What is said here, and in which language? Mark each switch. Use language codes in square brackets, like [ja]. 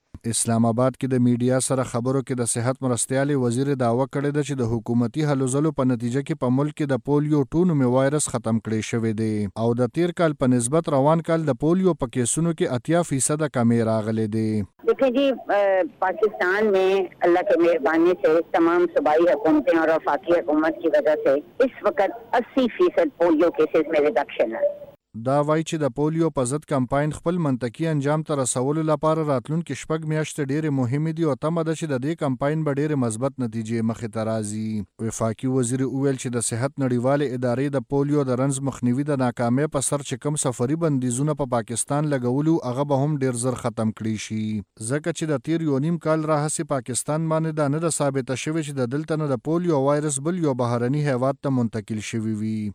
[ps] اسلام آباد کې د میډیا سره خبرو کې د صحت مرستیالي وزیر داوه کړی ده چې د حکومتي هلو ځلو په نتیجه کې په ملک کې د پولیو ټونو می وایرس ختم کړی شوی دی او د تیر کال په نسبت روان کال د پولیو په کیسونو کې 80% کمی راغلی دی. [ur] دیکھیں جی، پاکستان میں اللہ کی مہربانی سے تمام صوبائی حکومتیں اور وفاقی حکومت کی وجہ سے اس وقت 80% پولیو کیسز میں ریڈکشن ہے. [ps] دا وای چې د پولیو په ضد کمپاین خپل منطقي انجام تر رسولو لپاره راتلونکي شپږ میاشتې ډېرې مهمې دي او تمه ده چې د دې کمپاین به ډېرې مثبت نتیجې مخې ته راځي. وفاقي وزیر اویل چې د صحت نړیوالې ادارې د پولیو د رنز مخنیوي د ناکامۍ په سر چې کوم سفري بندیزونه په پاکستان لګولو هغه به هم ډېر زر ختم کړي شي، ځکه چې د تیر یو نیم کال راهسې پاکستان باندې دا نه ده ثابته شوې چې د دلته نه د پولیو وایرس بل یو بهرني هیواد ته منتقل شوي وي.